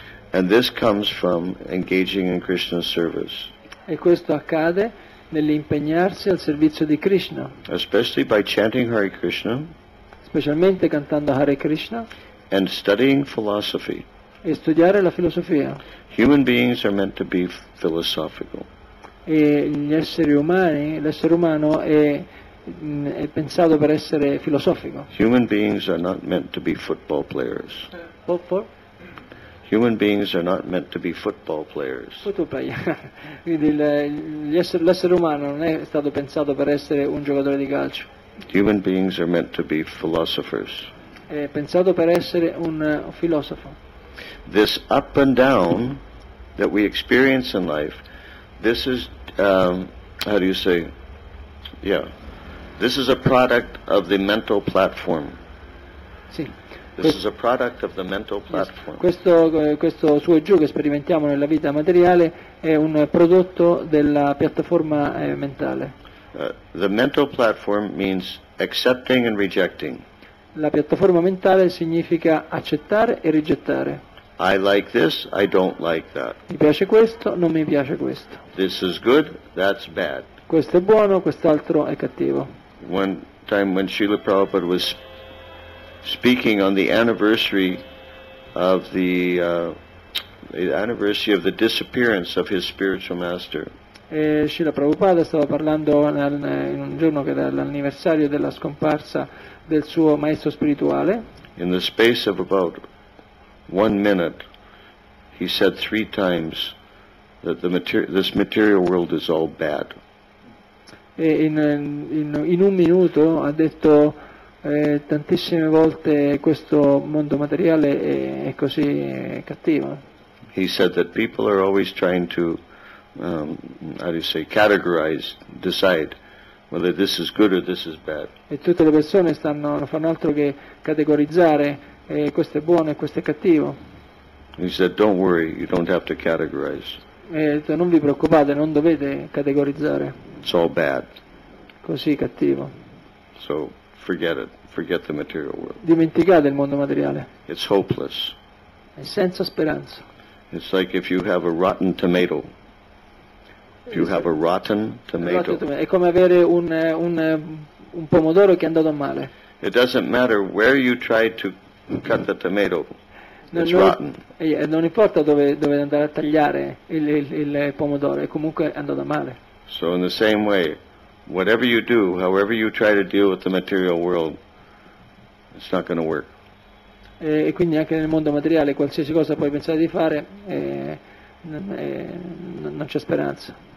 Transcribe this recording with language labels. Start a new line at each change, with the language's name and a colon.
English: And this comes from engaging in Krishna's service.
Italian: E questo accade nell'impegnarsi al servizio di Krishna.
English: Especially by chanting Hare Krishna.
Italian: Specialmente cantando Hare Krishna.
English: And studying philosophy.
Italian: E studiare la filosofia.
English: Human beings are meant to be philosophical.
Italian: E gli esseri umani, l'essere umano è pensato per essere filosofico.
English: Human beings are not meant to be football players. For? Human beings are not meant to be football players.
Italian: Quindi l'essere umano non è stato pensato per essere un giocatore di calcio.
English: Human beings are meant to be philosophers.
Italian: È pensato per essere un filosofo.
English: This up and down that we experience in life, this is this is a product of the mental platform.
Italian: Sì.
English: This is a product of the mental platform. Yes.
Italian: Questo su e giù che sperimentiamo nella vita materiale è un prodotto della piattaforma mentale.
English: The mental platform means accepting and rejecting.
Italian: La piattaforma mentale significa accettare e rigettare.
English: I like this, I don't like that.
Italian: Mi piace questo, non mi piace questo.
English: This is good, that's bad.
Italian: Questo è buono, quest'altro è cattivo.
English: One time when Srila Prabhupada was speaking on the anniversary of the anniversary of the disappearance of his spiritual master.
Italian: E Srila Prabhupada stava parlando in un giorno che era l'anniversario della scomparsa del suo maestro spirituale.
English: In the space of about 1 minute, he said 3 times that this material world is all bad.
Italian: E in un minuto ha detto tantissime volte questo mondo materiale è così cattivo.
English: He said that people are always trying to categorize, decide whether this is good or this is bad.
Italian: E tutte le persone stanno non fanno altro che categorizzare questo è buono e questo è cattivo.
English: He said, don't worry, you don't have to categorize.
Italian: E detto, non vi preoccupate, non dovete categorizzare.
English: It's all bad.
Italian: Così cattivo.
English: So forget it, forget the material world.
Italian: Dimenticate il mondo materiale.
English: It's hopeless.
Italian: È senza speranza.
English: It's like if you have a rotten tomato. If you have a rotten tomato.
Italian: È come avere un pomodoro che è andato male.
English: It doesn't matter where you try to cut the tomato. It's rotten.
Italian: Non importa dove andare a tagliare il pomodoro, è comunque andato male.
English: So in the same way, whatever you do, however you try to deal with the material world, it's not going to work.
Italian: E quindi anche nel mondo materiale, qualsiasi cosa puoi pensare di fare, non c'è speranza.